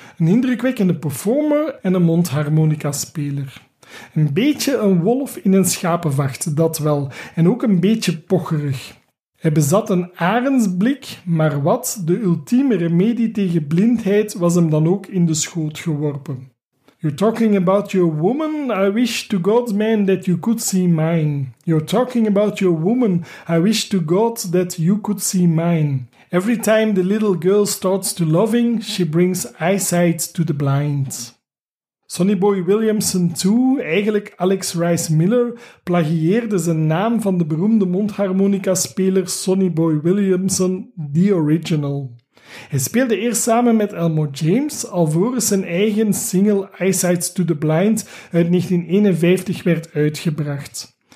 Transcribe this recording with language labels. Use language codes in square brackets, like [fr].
[nl] Een indrukwekkende performer en een mondharmonica-speler. Een beetje een wolf in een schapenvacht, dat wel. En ook een beetje pocherig. Hij bezat een arendsblik, maar wat, de ultieme remedie tegen blindheid was hem dan ook in de schoot geworpen. [en] You're talking about your woman, I wish to God, man, that you could see mine. You're talking about your woman, I wish to God that you could see mine. Every time the little girl starts to loving, she brings eyesight to the blind. [nl] Sonny Boy Williamson II, eigenlijk Alex Rice Miller, plagieerde zijn naam van de beroemde mondharmonica-speler Sonny Boy Williamson, The Original. Hij speelde eerst samen met Elmore James, alvorens zijn eigen single Eyesight to the Blind uit 1951 werd uitgebracht.